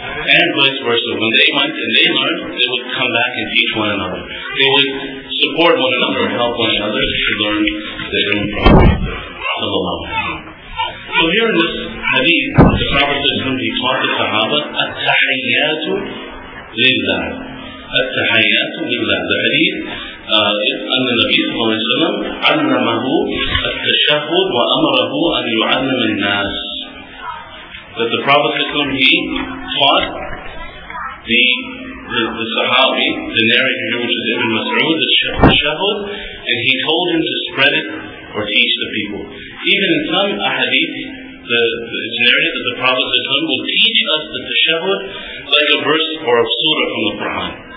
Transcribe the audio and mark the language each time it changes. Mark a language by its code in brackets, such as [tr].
[en] And vice versa, when they went and they learned, they would come back and teach one another. They would support one another, help one another to learn the ilm from the Prophet. So here in this hadith, the Prophet he taught the Sahaba, [ar] "At-tahiyyatu lillah." At-tahiyyatu lillah. [en] The hadith, [ar] أن النبي صلى الله عليه وسلم علمه التشهد وأمره أن يعلم الناس. [en] That the Prophet he taught the Sahabi, the narrator here, which is Ibn Mas'ud, the tashahud, and he told him to spread it or teach the people. Even in some ahadith, it's narrated that the Prophet will teach us the tashahud like a verse or a surah from the Quran.